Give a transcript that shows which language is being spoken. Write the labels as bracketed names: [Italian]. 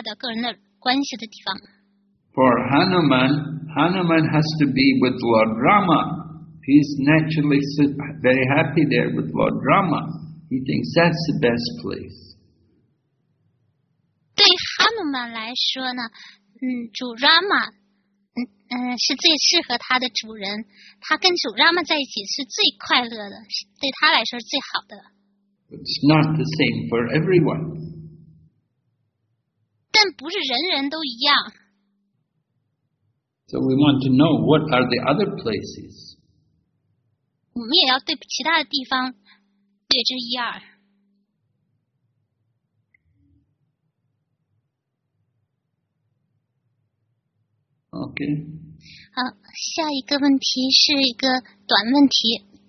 [Chinese] 去聆听到了种种不同的关系，不同的心态，就是因为人人都有特定的关系，他应该找到这个最适合他的地方，最适合他的个人的关系的地方。 [English] For Hanuman has to be with Lord Rama. He's naturally very happy there with Lord Rama. He thinks that's the best place. [Chinese] 对哈努曼来说呢，主Rama是最适合他的主人，他跟主Rama在一起是最快乐的，对他来说是最好的。 [English] It's not the same for everyone. [Chinese] 但不是人人都一样。 [English] So we want to know what are the other places. [Chinese] 我们也要对其他的地方略知一二。 [English] Okay. [Chinese] 好，下一个问题是一个短问题。